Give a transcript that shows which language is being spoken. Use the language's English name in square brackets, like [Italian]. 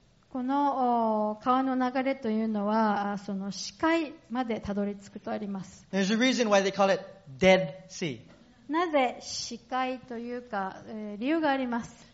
[Japanese] この川の流れというのはその死海までたどり着くとあります。 [English] There's a reason why they call it Dead Sea. [Japanese] なぜ死海というか、理由があります。